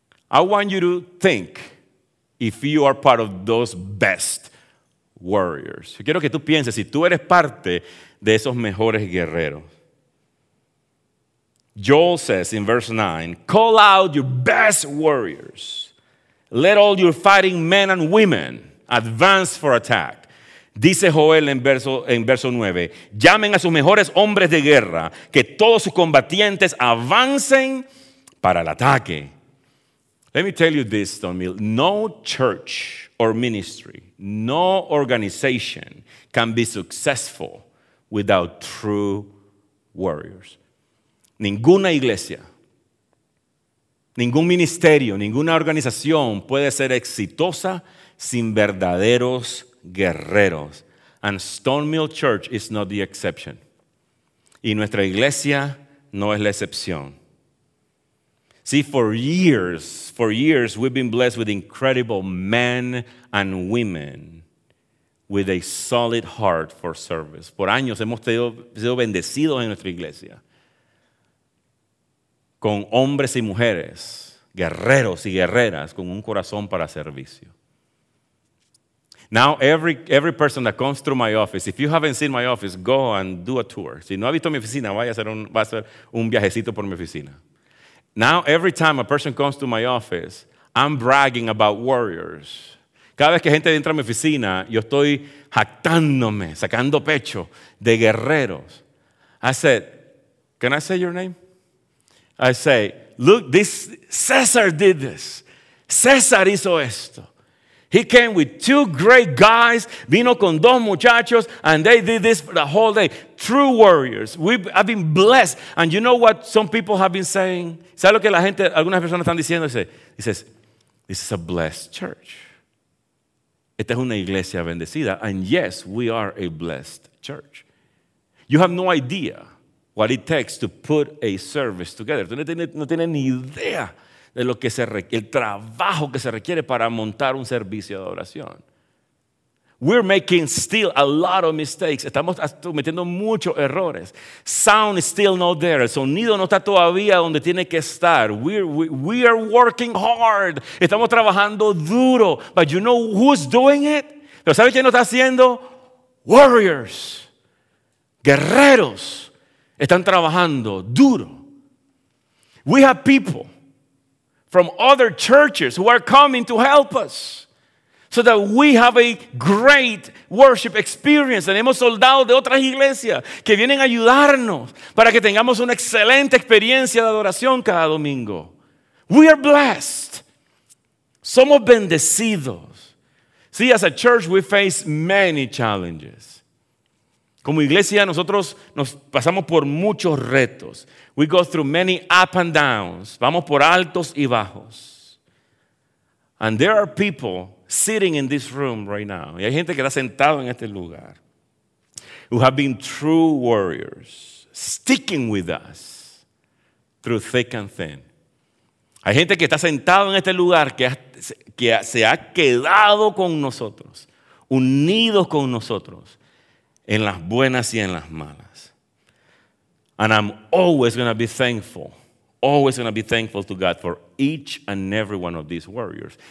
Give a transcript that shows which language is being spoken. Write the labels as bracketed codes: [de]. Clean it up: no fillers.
[en] I want you to think if you are part of those best warriors. [es] Yo quiero que tú pienses si tú eres parte de esos mejores guerreros. [en] Joel says in verse 9, call out your best warriors. Let all your fighting men and women advance for attack. [es] Dice Joel en verso 9, llamen a sus mejores hombres de guerra, que todos sus combatientes avancen para el ataque. [en] Let me tell you this, Don Mill, no church or ministry, no organization can be successful without true warriors. [es] Ninguna iglesia, ningún ministerio, ninguna organización puede ser exitosa sin verdaderos guerreros. [en] And Stonemill Church is not the exception. [es] Y nuestra iglesia no es la excepción. [en] See, for years, we've been blessed with incredible men and women with a solid heart for service. [es] Por años hemos sido bendecidos en nuestra iglesia con hombres y mujeres, guerreros y guerreras, con un corazón para servicio. [en] Now, every person that comes through my office, if you haven't seen my office, go and do a tour. [es] Si no ha visto mi oficina, va a hacer un viajecito por mi oficina. [en] Now, every time a person comes to my office, I'm bragging about warriors. [es] Cada vez que gente entra a mi oficina, yo estoy jactándome, sacando pecho de guerreros. [en] I said, can I say your name? I say, look, this Cesar did this. [es] Cesar hizo esto. [en] He came with two great guys, [es] vino con dos muchachos, [en] and they did this for the whole day. True warriors. We have been blessed. And you know what some people have been saying? [es] ¿Sabes lo que la gente, algunas personas están diciendo? [en] He says, this is a blessed church. [es] Esta es una iglesia bendecida. [en] And yes, we are a blessed church. You have no idea what it takes to put a service together. [es] Tú no tienes ni idea de lo que se requiere, el trabajo que se requiere para montar un servicio de adoración. [en] We're making still a lot of mistakes. [es] Estamos metiendo muchos errores. [en] Sound is still not there. [es] El sonido no está todavía donde tiene que estar. [en] We are working hard. [es] Estamos trabajando duro. [en] But you know who's doing it? [es] ¿Pero sabes quién lo está haciendo? [en] Warriors. [es] Guerreros. Están trabajando duro. [en] We have people from other churches who are coming to help us. so that we have a great worship experience. [es] Tenemos soldados de otras iglesias que vienen a ayudarnos para que tengamos una excelente experiencia de adoración cada domingo. [en] We are blessed. [es] Somos bendecidos. [en] See, as a church, we face many challenges. [es] Como iglesia, nosotros nos pasamos por muchos retos. [en] We go through many up and downs. [es] Vamos por altos y bajos. [en] And there are people sitting in this room right now. [es] Y hay gente que está sentado en este lugar. [en] Who have been true warriors, sticking with us through thick and thin. [es] Hay gente que está sentado en este lugar que se ha quedado con nosotros, unidos con nosotros, en las buenas y en las malas. [en] And I'm always going to be thankful. Always going to be thankful to God for each and every one of these warriors.